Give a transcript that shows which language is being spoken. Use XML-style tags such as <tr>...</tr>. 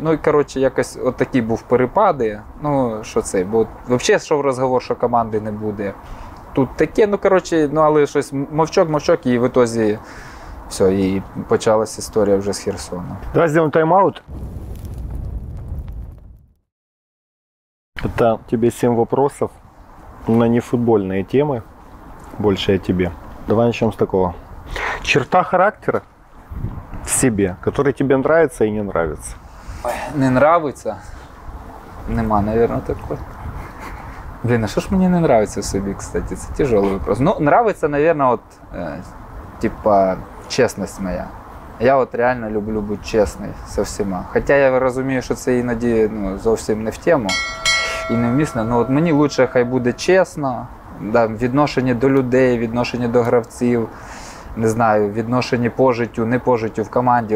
<uk>Ну, і, коротше, якось отакі був перепади, ну, що це, бо взагалі, що в розговор, що команди не буде. Тут таке, ну, коротше, ну, але щось мовчок-мовчок, і в ітозі все, і почалась історія вже з Херсона. Давай зробимо тайм-аут.</uk> <ru>Это тебе 7 вопросов на нефутбольные темы, больше о тебе. Давай начнем с такого. Черта характера в себе, который тебе нравится и не нравится? Ой, не нравится? Нема, наверное, такой. Блин, а что ж мне не нравится в себе, кстати, это тяжелый вопрос. Ну, нравится, наверное, вот, типа, честность моя.</ru> <uk>Я от реально люблю бути чесний со всіма. Хоча я розумію, що це іноді, ну, зовсім не в тему і невмісно, але от мені краще, хай буде чесно, да, відношення до людей, відношення до гравців, не знаю, відношення по життю, не по життю в команді.</uk>